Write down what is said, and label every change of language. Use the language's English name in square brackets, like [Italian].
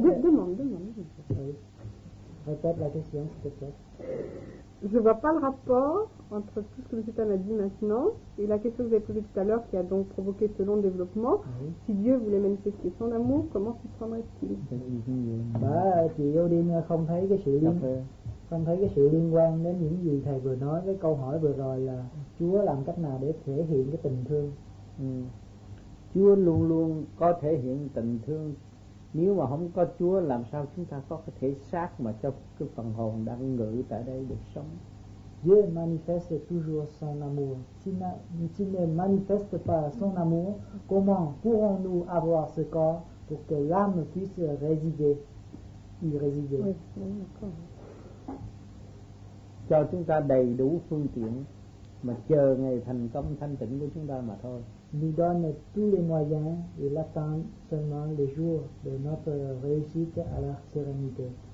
[French] Demande. Répète la question, s'il te plaît. Je ne vois pas le rapport entre tout ce que M. Tan a dit maintenant et la question que vous avez posée tout à l'heure qui a donc provoqué ce long développement. Oui. Si Dieu voulait manifester son amour, comment s'y prendrait-il? [Vietnamese] Bah, chị Yêu Đinh không thấy cái sự liên, không thấy cái sự liên quan đến những gì thầy vừa nói với câu hỏi vừa rồi là Chúa làm cách nào để thể hiện cái tình thương. Chúa luôn luôn có thể hiện tình thương. Nếu mà không có Chúa làm sao chúng ta có cái thể xác mà cho cái phần hồn đang ngự tại đây được sống? [French] Dieu manifeste toujours son amour. S'il ne manifeste pas son amour, comment pourrons-nous avoir ce corps pour que l'âme puisse résider? Oui, [Vietnamese] cho chúng ta đầy đủ phương tiện mà chờ ngày thành công thanh tịnh của chúng ta mà thôi. [French] Nous donne tous les moyens et l'attend seulement les jours de notre réussite à la sérénité.